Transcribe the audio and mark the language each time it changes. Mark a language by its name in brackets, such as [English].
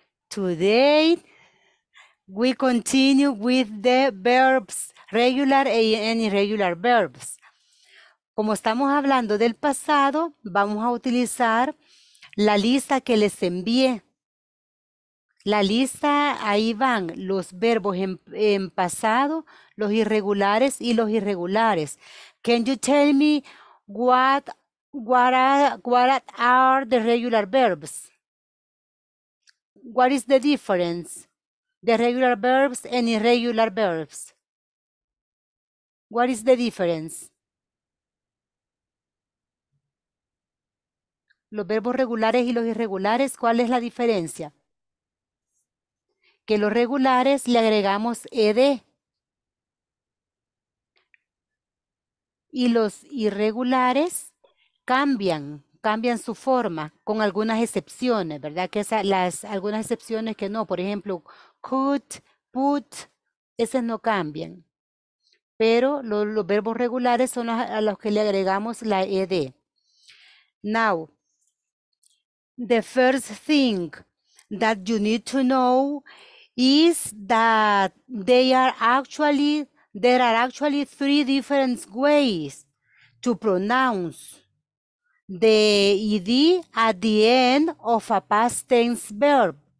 [English] Today, we continue with the verbs, regular and irregular verbs. [Spanish] Como estamos hablando del pasado, vamos a utilizar la lista que les envié. La lista, ahí van los verbos en pasado, los irregulares y los irregulares. [English] Can you tell me what are the regular verbs? What is the difference? The regular verbs and irregular verbs. What is the difference? [Spanish] Los verbos regulares y los irregulares, ¿cuál es la diferencia? Que los regulares le agregamos ed. Y los irregulares cambian su forma con algunas excepciones, ¿verdad? Que algunas excepciones que no, por ejemplo, could, put, esas no cambian. Pero los verbos regulares son a los que le agregamos la ed. [English] Now, the first thing that you need to know is that there are actually three different ways to pronounce the ed at the end of a past tense verb.